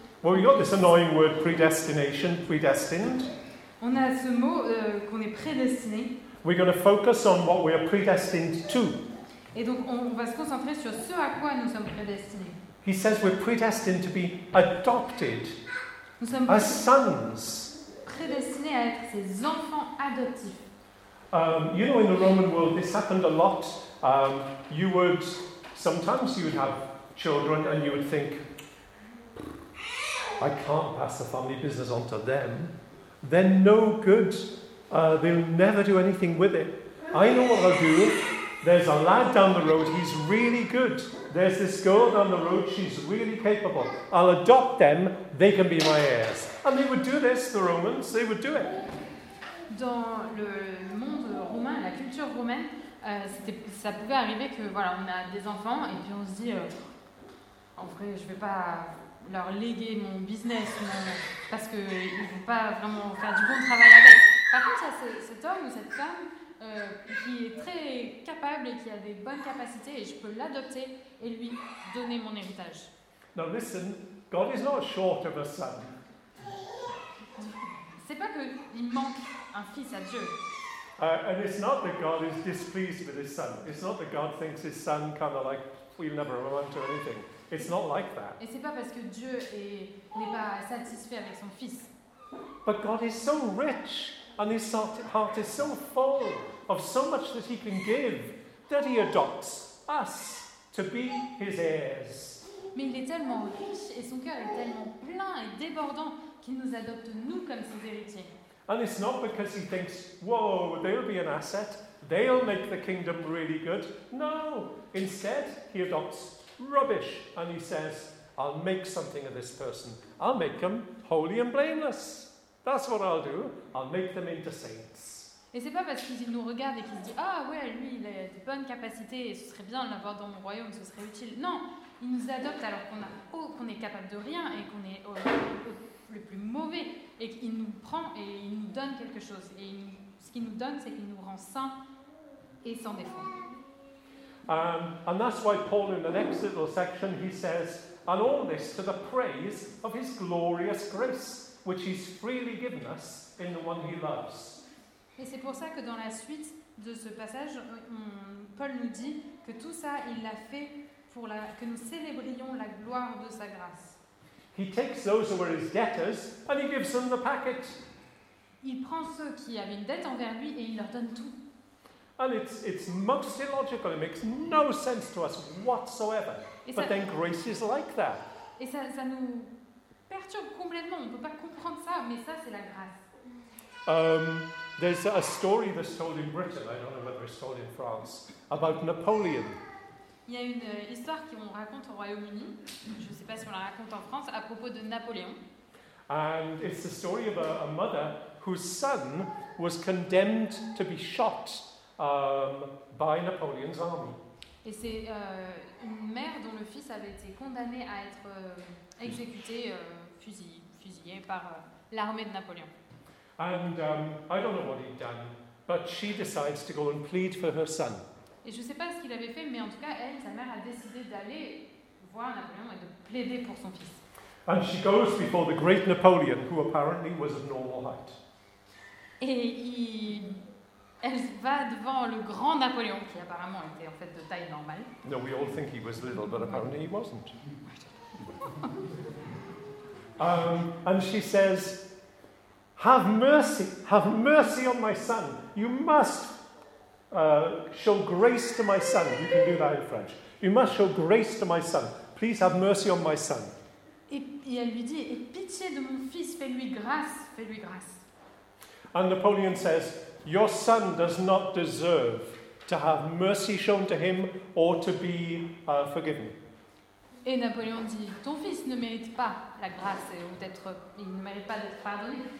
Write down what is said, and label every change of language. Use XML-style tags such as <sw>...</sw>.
<en>Well, you got this annoying word predestination, predestined.</en> <fr>On a ce mot qu'on est prédestiné.</fr> <en>We're going to focus on what we are predestined to.</en> <fr>Et donc on va se concentrer sur ce à quoi nous sommes prédestinés.</fr> <en>He says we're predestined to be adopted.</en> <fr>Nous sommes</fr> <en>as sons.</en> <fr>Prédestinés à être ses enfants adoptifs.</fr> <en>You know, in the Roman world, this happened a lot. You would have children and you would think, I can't pass the family business on to them. They're no good. They'll never do anything with it. I know what I'll do. There's a lad down the road. He's really good. There's this girl down the road. She's really capable. I'll adopt them. They can be my heirs. And they would do this, the Romans. They would do it.</en> <fr>Dans le monde romain, la culture romaine, ça pouvait arriver que voilà, on a des enfants et puis on se dit, en vrai, je vais pas leur léguer mon business parce qu'ils ne vont pas vraiment faire du bon travail avec. Par contre, il y a cet homme ou cette femme qui est très capable et qui a des bonnes capacités et je peux l'adopter et lui donner mon héritage.</fr> <en>Now listen, God is not short of a son.</en> <fr>C'est pas qu'il manque un fils à Dieu.</fr> <en>And it's not that God is displeased with his son. It's not that God thinks his son kind of like, we'll never amount to anything. It's not like that.</en> <fr>Et c'est pas parce que Dieu n'est pas satisfait avec son fils.</fr> <en>But God is so rich and his heart is so full of so much that he can give that he adopts us to be his heirs.</en> <fr>Mais il est tellement riche et son cœur est tellement plein et débordant qu'il nous adopte nous comme ses héritiers.</fr> <en>And it's not because he thinks, whoa, they'll be an asset, they'll make the kingdom really good. No, instead he adopts rubbish, and he says, I'll make something of this person. I'll make them holy and blameless. That's what I'll do. I'll make them into saints.</en> <fr>Et c'est pas parce qu'il nous regarde et qu'il se dit, ah ouais, lui, il a de bonnes capacités et ce serait bien de l'avoir dans mon royaume, ce serait utile. Non, il nous adopte alors qu'on est capable de rien et qu'on est le plus mauvais et qu'il nous prend et il nous donne quelque chose. Et ce qu'il nous donne, c'est qu'il nous rend saints et sans défaut.</fr> <en>And that's why Paul, in the next little section, he says, and all this to the praise of his glorious grace, which he's freely given us in the one he loves.</en> <fr>Et c'est pour ça que dans la suite de ce passage, Paul nous dit que tout ça, il l'a fait pour que nous célébrions la gloire de sa grâce.</fr> <en>He takes those who were his debtors, and he gives them the packet.</en> <fr>Il prend ceux qui avaient une dette envers lui, et il leur donne tout.</fr> <en>And it's most illogical, it makes no sense to us whatsoever. But then grace is like that.</en> <fr>Et ça nous perturbe complètement, on ne peut pas comprendre ça, mais ça c'est la grâce.</fr> <en>There's a story that's told in Britain, I don't know whether it's told in France, about Napoleon.</en> <fr>Il y a une histoire qu'on raconte au Royaume-Uni, je ne sais pas si on la raconte en France, à propos de Napoléon.</fr> <en>And it's the story of a mother whose son was condemned to be shot by Napoleon's army.</en> <fr>Et c'est une mère dont le fils avait été condamné à être exécuté, fusillé par l'armée de Napoléon.</fr> <en>And I don't know what he'd done, but she decides to go and plead for her son.</en> <fr>Et je ne sais pas ce qu'il avait fait, mais en tout cas, elle, sa mère, a décidé d'aller voir Napoléon et de plaider pour son fils.</fr> <en>And she goes before the great Napoleon, who apparently was of normal height.</en> <fr>Et elle va devant le grand Napoléon, qui apparemment était en fait de taille normale.</fr> <en>No, we all think he was little, but apparently he wasn't. And she says, have mercy on my son. You must show grace to my son. You can do that in French. You must show grace to my son. Please have mercy on my son.</en> <fr>Et elle lui dit, et pitié de mon fils, fais-lui grâce, fais-lui grâce.</fr> <en>And Napoleon says, your son does not deserve to have mercy shown to him or to be forgiven.</en> <fr>Et Napoléon dit, ton fils ne mérite pas la grâce ou d'être, il ne mérite pas d'être pardonné.</fr>